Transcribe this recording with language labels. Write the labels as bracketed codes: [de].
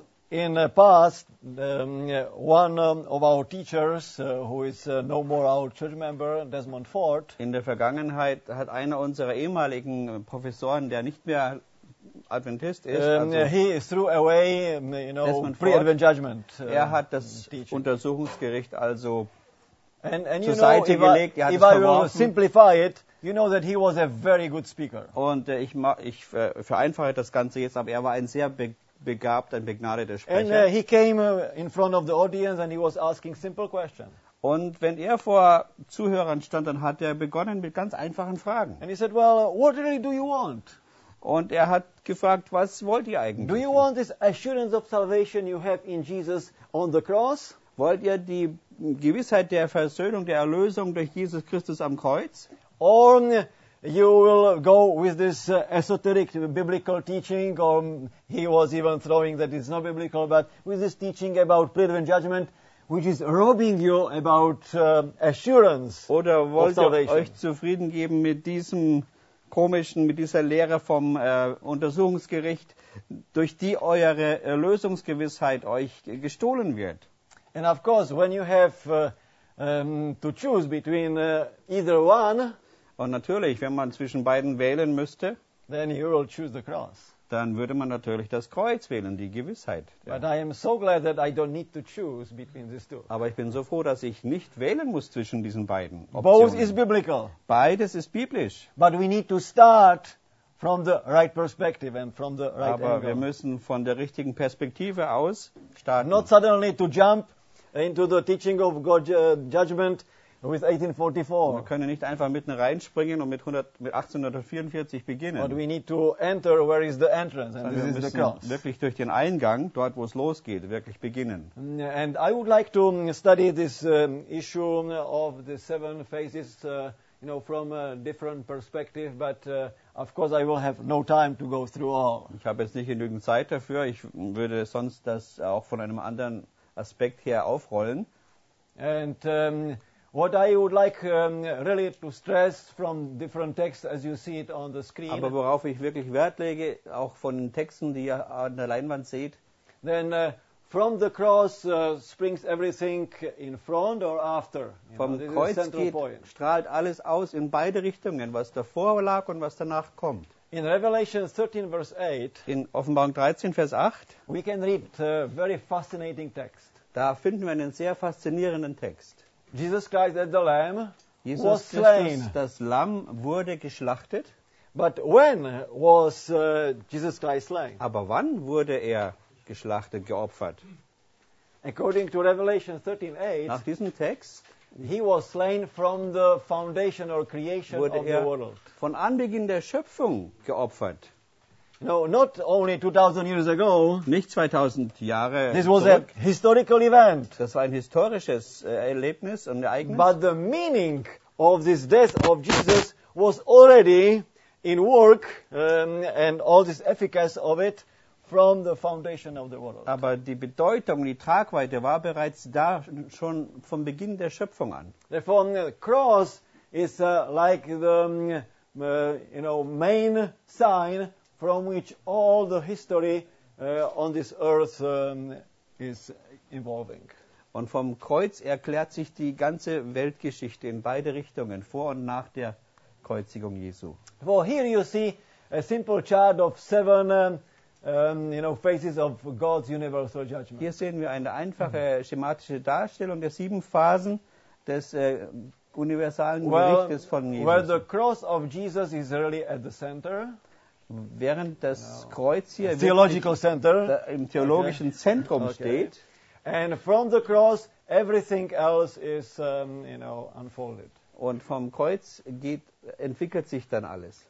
[en] In the past, one of our teachers, who is no more our church member, Desmond Ford. [de] In der Vergangenheit hat einer unserer ehemaligen Professoren, der nicht mehr Adventist ist, [en] he threw away, pre-Advent judgment. [de] Er hat das teaching. Untersuchungsgericht also zur Seite gelegt. Er hat es verworfen. [en] If I will simplify it, that he was a very good speaker. [de] Und ich vereinfache das Ganze jetzt, aber er war ein sehr begabt, ein begnadeter Sprecher. [en] And he came in front of the audience and he was asking simple questions. [de] Und wenn er vor Zuhörern stand, dann hat er begonnen mit ganz einfachen Fragen. [en] And he said, well, what really do you want? [de] Und er hat gefragt, was wollt ihr eigentlich? [en] Do you want this assurance of salvation you have in Jesus on the cross? [de] Wollt ihr die Gewissheit der Versöhnung, der Erlösung durch Jesus Christus am Kreuz? [en] Or you will go with this esoteric biblical teaching, or he was even throwing that it's not biblical, but with this teaching about pre-advent judgment, which is robbing you about assurance of salvation. [de] Oder wollt ihr euch zufrieden geben mit diesem komischen, mit dieser Lehre vom Untersuchungsgericht, durch die eure Erlösungsgewissheit euch gestohlen wird? [en] And of course, when you have to choose between either one, [de] und natürlich, wenn man zwischen beiden wählen müsste, [en] then you will choose the cross. [de] Dann würde man natürlich das Kreuz wählen, die Gewissheit. [en] But I am so glad that I don't need to choose between these two. [de] Aber ich bin so froh, dass ich nicht wählen muss zwischen diesen beiden Optionen. [en] Both is biblical. [de] Beides ist biblisch. [en] But we need to start from the right perspective and from the right [de] aber [en] angle. [de] Wir müssen von der richtigen Perspektive aus starten. [en] Not suddenly to jump into the teaching of God's judgment with 1844. [de] Wir können nicht einfach mitten reinspringen und mit 1844 beginnen. [en] But we need to enter where is the entrance, and this is the cross. [de] Wirklich durch den Eingang, dort wo es losgeht, wirklich beginnen. [en] And I would like to study this issue of the seven phases from a different perspective, but of course I will have no time to go through all. [de] Ich habe jetzt nicht genügend Zeit dafür, ich würde sonst das auch von einem anderen Aspekt her aufrollen. [en] And What I would like really to stress from different texts, as you see it on the screen. [de] Aber worauf ich wirklich Wert lege, auch von den Texten, die ihr an der Leinwand seht. [en] Then from the cross springs everything in front or after. [de] Vom Kreuz strahlt alles aus in beide Richtungen, was davor lag und was danach kommt. [en] In Revelation 13, verse 8. [de] In Offenbarung 13, Vers 8. [en] We can read a very fascinating text. [de] Da finden wir einen sehr faszinierenden Text. [en] Jesus Christ, the Lamb, [de] Jesus [en] was slain. [de] Das Lamm, wurde geschlachtet. [en] But when was Jesus Christ slain? [de] Aber wann wurde er geschlachtet, geopfert? [en] According to Revelation 13:8, [de] nach diesem Text, [en] he was slain from the foundation or creation [de] wurde [en] of the world. [de] Von Anbeginn der Schöpfung geopfert. [en] No, not only 2000 years ago. [de] Nicht 2000 Jahre. [en] This was [de] zurück. [en] A historical event. [de] Das war ein historisches Erlebnis und Ereignis. [en] But the meaning of this death of Jesus was already in work and all this efficacy of it from the foundation of the world. [de] Aber die Bedeutung, die Tragweite war bereits da schon vom Beginn der Schöpfung an. [en] Therefore, the cross is like the main sign from which all the history on this earth is evolving. [de] Und vom Kreuz erklärt sich die ganze Weltgeschichte in beide Richtungen, vor und nach der Kreuzigung Jesu. [en] Well, here you see a simple chart of seven phases of God's universal judgment. [de] Hier sehen wir eine einfache schematische Darstellung der sieben Phasen des universalen Gerichtes von Jesus. [en] Well, the cross of Jesus is really at the center. [de] Während das Kreuz hier [en] theological center, [de] im theologischen Zentrum steht. [en] And from the cross, everything else is, unfolded. [de] Und vom Kreuz entwickelt sich dann alles.